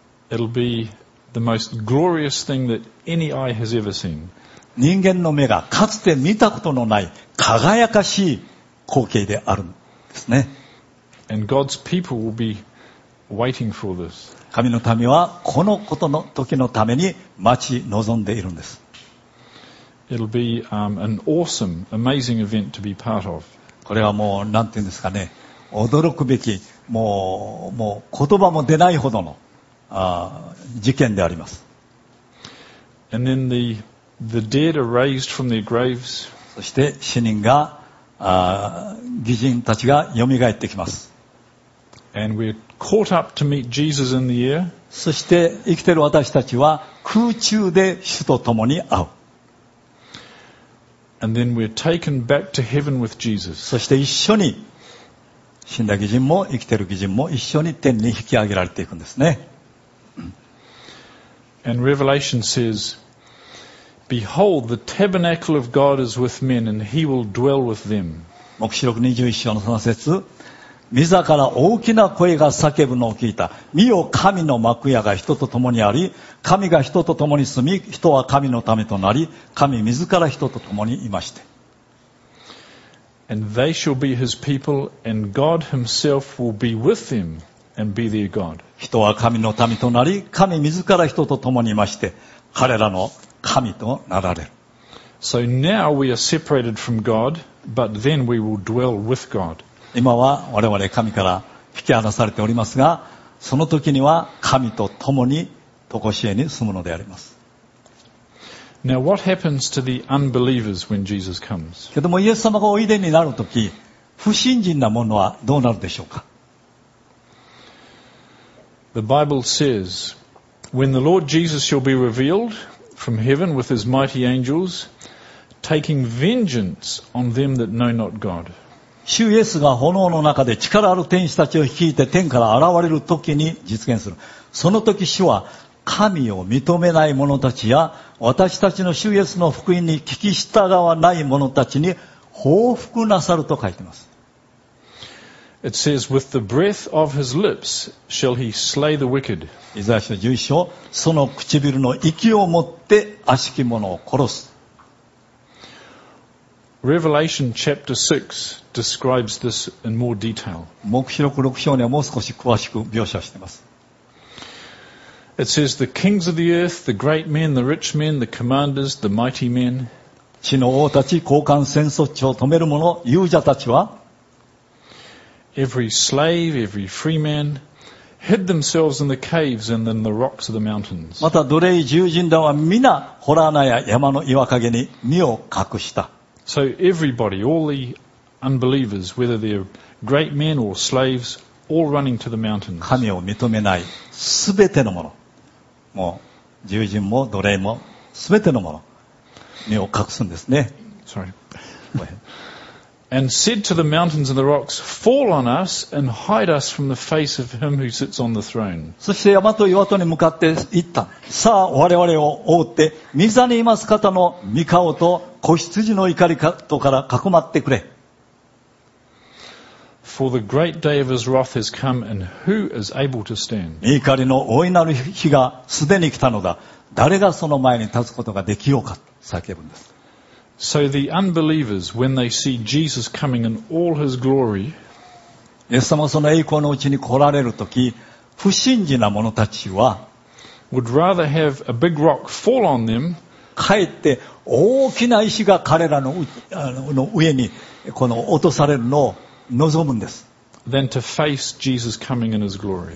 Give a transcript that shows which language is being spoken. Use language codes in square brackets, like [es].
[en] It'll be the most glorious thing that any eye has ever seen. [ja] 人間の目がかつて見たことのない輝かしい光景であるんですね。 [en] And God's people will be waiting for this. [ja] 神の民はこのことの時のために待ち望んでいるんです。 [en] It'll be an awesome, amazing event to be part of. [ja] これはもうなんて言うんですかね、驚くべき、もう言葉も出ないほどの事件であります。 [en] And then the dead are raised from their graves. [ja] そして死人が義人たちが蘇ってきます。 [en] And we're caught up to meet Jesus in the air. [ja] そして生きている私たちは空中で主と共に会う。 [en] And then we're taken back to heaven with Jesus. [ja] そして一緒に死んだ義人も生きている義人も一緒に天に引き上げられていくんですね。 [en] And Revelation says, "Behold, the tabernacle of God is with men, and He will dwell with them." [ja] 黙示録21章のその節、御座から大きな声が叫ぶのを聞いた。見よ、神の幕屋が人と共にあり、神が人と共に住み、人は神の民となり、神自ら人と共にいまして。 [en] And they shall be His people, and God Himself will be with them. And be their God. [ja] 人は神の民となり、神自ら人と共にいまして、彼らの神となられる。 [en] So now we are separated from God, but then we will dwell with God. [ja] 今は我々神から引き離されておりますが、その時には神と共に常しえに住むのであります。 [en] Now what happens to the unbelievers when Jesus comes? [ja] けどもイエス様がおいでになる時、不信心な者はどうなるでしょうか？ [en] The Bible says, "When the Lord Jesus shall be revealed from heaven with His mighty angels, taking vengeance on them that know not God." [ja] 主イエスが炎の中で力ある天使たちを率いて天から現れる時に実現する。その時主は神を認めない者たちや私たちの主イエスの福音に聞き従わない者たちに報復なさると書いてます。 [en] It says, "With the breath of his lips shall he slay the wicked." [ja] イザヤ書11章、その唇の息をもって悪しき者を殺す。 [en] Revelation chapter 6 describes this in more detail. [ja] 黙示録6章にはもう少し詳しく描写しています。 [en] It says the kings of the earth, the great men, the rich men, the commanders, the mighty men. [ja] 地の王たち、高官、戦争地を止める者、勇者たちは。 [en] Every slave, every free man, hid themselves in the caves and in the rocks of the mountains. [ja] また奴隷、獣人らは皆、ホラー穴や山の岩陰に身を隠した。 [en] So everybody, all the unbelievers, whether they're great men or slaves, all running to the mountains. [ja] 神を認めない全てのもの、もう獣人も奴隷も全てのもの、身を隠すんですね。 [en] Sorry. And said to the mountains and the rocks, fall on us and hide us from the face of him who sits on the throne. [ja] そして山と岩とに向かって言った。さあ我々を覆って、御座にいます方の御顔と子羊の怒りとからかくまってくれ。 [en] For the great day of his wrath has come and who is able to stand? [ja] 怒りの大いなる日がすでに来たのだ。誰がその前に立つことができようか、叫ぶんです。 [en] So the unbelievers, when they see Jesus coming in all his glory, [ja] イエス様その栄光のうちに来られるとき、不信心な者たちは、 [en] would rather have a big rock fall on them, [ja] かえって大きな石が彼らの上にこの落とされるのを望むんです。 [en] than to face Jesus coming in his glory.